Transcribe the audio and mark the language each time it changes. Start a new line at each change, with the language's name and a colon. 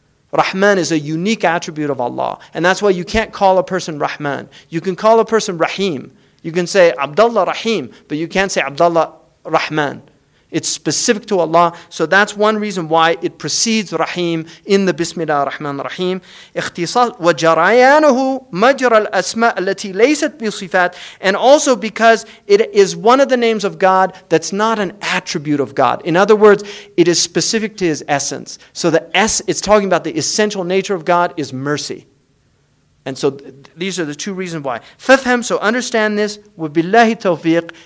English: Rahman is a unique attribute of Allah. And that's why you can't call a person Rahman. You can call a person Rahim. You can say Abdullah Rahim, but you can't say Abdullah Rahman. It's specific to Allah. So that's one reason why it precedes Rahim in the Bismillah Rahman Rahim.
Arabic: اختصاص وجريانه مجرى الأسماء التي ليست بصفات.
English: And also because it is one of the names of God that's not an attribute of God. In other words, it is specific to his essence. So it's talking about the essential nature of God is mercy. And so these are the two reasons why.
Arabic: فَفْهَمْ.
English: So understand this.
Arabic: وَبِاللَّهِ تَوْفِيق.